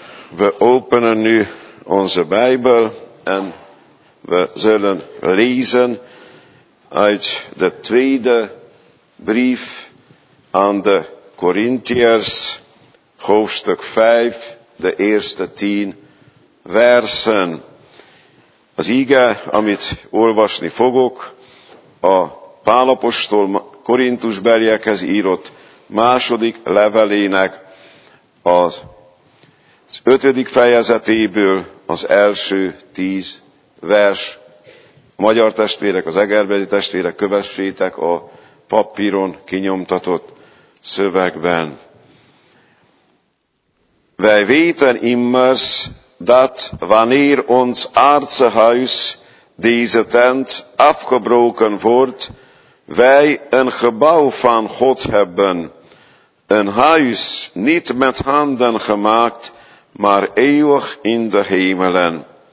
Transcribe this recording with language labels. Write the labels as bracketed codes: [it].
[nl] We openen nu onze Bijbel en we zullen lezen uit de tweede brief aan de Korintiërs, hoofdstuk 5, de eerste 10 versen. [hu] Az ige, amit olvasni fogok, a Pál apostol Korintusbeliekhez írott második levelének az az ötödik fejezetéből az első 10 vers. A magyar testvérek, az egerbeli testvérek, kövessétek a papíron kinyomtatott szövegben. [nl] Wij weten immers, dat wanneer ons aardse huis, deze tent, afgebroken wordt, wij een gebouw van God hebben, een huis niet met handen gemaakt, maar eeuwig in de hemelen.